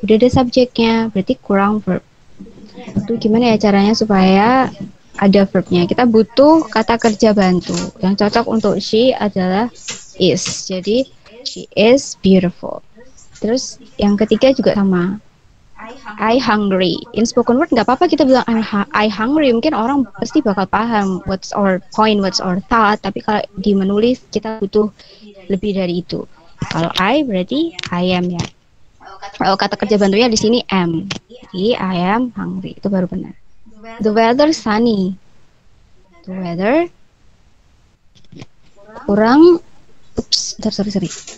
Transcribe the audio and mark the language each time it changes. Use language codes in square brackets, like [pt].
[id] Udah ada subjeknya, berarti kurang verb. Itu gimana ya caranya supaya ada verbnya? Kita butuh kata kerja bantu. Yang cocok untuk she adalah is. Jadi [en] she is beautiful. [id] Terus yang ketiga juga sama. [en] I hungry. In spoken word [id] nggak apa-apa kita bilang [en] I hungry. [id] Mungkin orang pasti bakal paham [en] what's our point, what's our thought. [id] Tapi kalau di menulis kita butuh lebih dari itu. Kalau I berarti I am ya. Kalau kata kerja bantunya di sini am. Jadi I am hungry. Itu baru benar. [en] The weather sunny. [id] The weather kurang. [en] Oops, sorry.